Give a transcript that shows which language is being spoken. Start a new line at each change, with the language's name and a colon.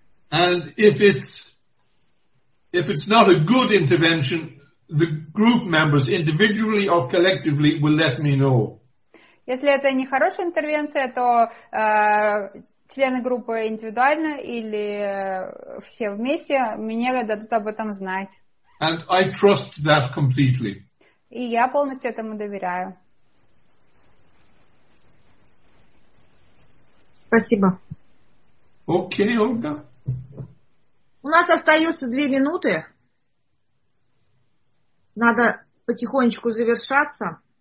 English: And if it's not a good intervention, the group members individually or collectively will let me know.
Russian: Если это не хорошая интервенция, то члены группы индивидуально или все вместе мне дадут об этом знать.
English: And I trust that completely.
Russian: И я полностью этому доверяю. Спасибо. Окей, Ольга. У нас остаются 2 минуты. Надо потихонечку завершаться.